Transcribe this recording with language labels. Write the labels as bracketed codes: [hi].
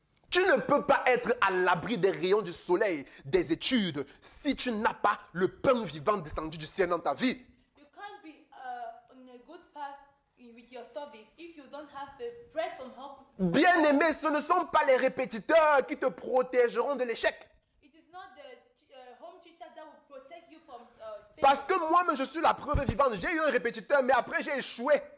[fr] Tu ne peux pas être à l'abri des rayons du soleil, des études, si tu n'as pas le pain vivant descendu du ciel dans ta vie. [en] You can't be on a good path with your studies if you don't have the bread from home. [fr] Bien aimé, ce ne sont pas les répétiteurs qui te protégeront de l'échec. [en] It is not the home teacher that will protect you from [fr] Parce que moi-même, je suis la preuve vivante. J'ai eu un répétiteur, mais après, j'ai échoué.